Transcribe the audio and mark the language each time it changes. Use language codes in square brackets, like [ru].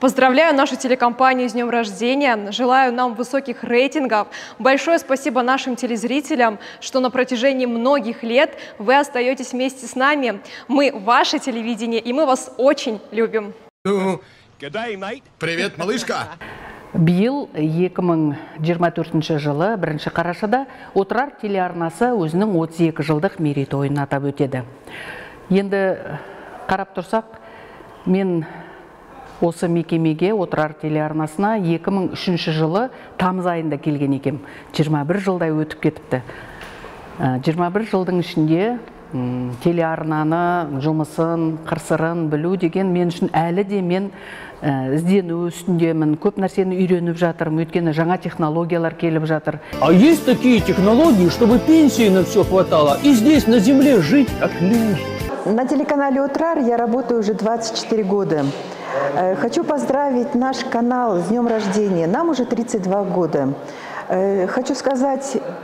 [ru] Поздравляю нашу телекомпанию с днем рождения. Желаю нам высоких рейтингов. Большое спасибо нашим телезрителям, что на протяжении многих лет вы остаетесь вместе с нами. Мы ваше телевидение, и мы вас очень любим. Привет, малышка! [kk] Биыл 2024 жылы 1 қарашада Отырар телеарнасы өзінің 32 жылдық мерейтойын атап өтеді. Енді қарап тұрсақ, мен осы мекемеге Отырар телеарнасына 2003 жылы тамыз айында келген екем. 21 жылдай өтіп кетіпті. 21 жылдың ішінде телеарнаны жұмысын, қырсырын білу деген мен үшін әлі де мен іздену үстіндемін, көп нәрсені үйреніп жатырмын, өйткені жаңа технологиялар келіп жатыр. [ru] А есть такие технологии, чтобы пенсии на все хватало и здесь на земле жить как люди. На телеканале «Отырар» я работаю уже 24 года. Хочу поздравить наш канал с днем рождения. Нам уже 32 года. Хочу сказать...